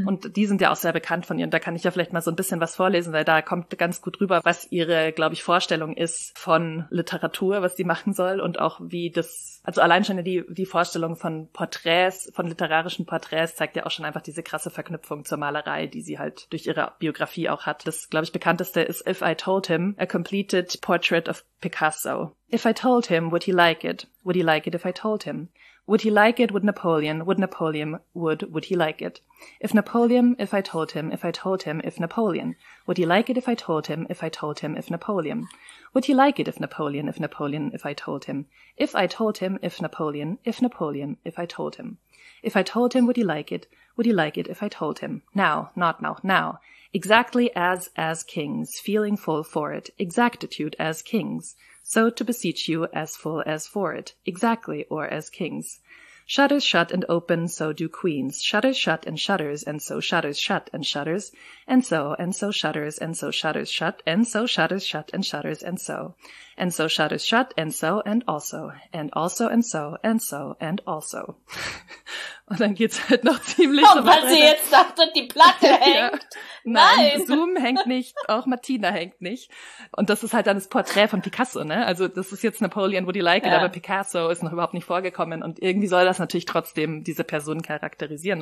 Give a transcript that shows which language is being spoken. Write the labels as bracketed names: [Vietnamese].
[German] Mhm. Und die sind ja auch sehr bekannt von ihr. Und da kann ich ja vielleicht mal so ein bisschen was vorlesen, weil da kommt ganz gut rüber, was ihre, glaube ich, Vorstellung ist von Literatur, was sie machen soll. Und auch wie das, also allein schon die Vorstellung von Porträts, von literarischen Porträts, zeigt ja auch schon einfach diese krasse Verknüpfung zur Malerei, die sie halt durch ihre Biografie auch hat. Das, glaube ich, bekannteste ist If I Told Him, A Completed Portrait of Picasso. [English] If I told him, would he like it? Would he like it if I told him? Would he like it, would Napoleon? Would Napoleon, would he like it? If Napoleon, if I told him, if I told him, if Napoleon. Would he like it if I told him, if I told him, if Napoleon? Would he like it if Napoleon, if I told him? If I told him, if Napoleon, if I told him. If I told him, would he like it? Would he like it if I told him? Now, not now, now. Exactly as kings, feeling full for it, exactitude as kings. So to beseech you as full as for it, exactly or as kings. Shutters shut and open, so do queens. Shutters shut and shutters, and so shutters shut and shutters, and so shutters, and so shutters shut, and so shutters shut and shutters, and so shutters shut, and so, and also, and so, and so, and also. [German] Und dann geht's halt noch ziemlich so weiter. Und weil sie jetzt sagt, und die Platte hängt. Ja. Nein. Zoom hängt nicht, auch Martina hängt nicht. Und das ist halt dann das Porträt von Picasso, ne? Also das ist jetzt Napoleon, [English] would you like it, [German] aber Picasso ist noch überhaupt nicht vorgekommen. Und irgendwie soll das natürlich trotzdem diese Person charakterisieren.